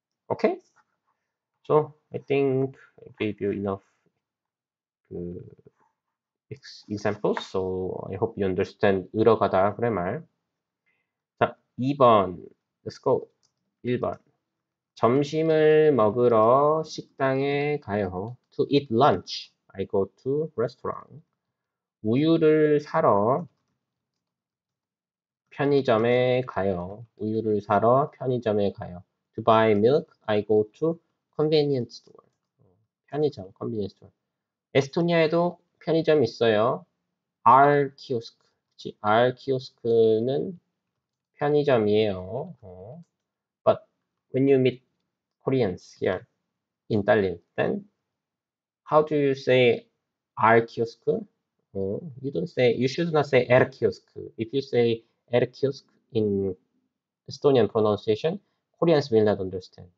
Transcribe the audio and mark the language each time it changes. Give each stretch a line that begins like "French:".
English: Okay, so I think I gave you enough examples, so I hope you understand 으러 가다 그래 말.
Korean: 자, 2번,
English: let's go.
Korean: 1번, 점심을 먹으러 식당에 가요.
English: To eat lunch, I go to restaurant.
Korean: 우유를 사러 편의점에 가요. 우유를 사러 편의점에 가요.
English: To buy milk, I go to convenience store. 편의점, convenience store.
Korean: 에스토니아에도 편의점 있어요. R 키오스크. 그치? R 키오스크는 편의점이에요.
English: But when you meet Koreans here in Tallinn, then how do you say R 키오스크? You should not say R 키오스크. If you say R 키오스크 in Estonian pronunciation, Koreans will not understand.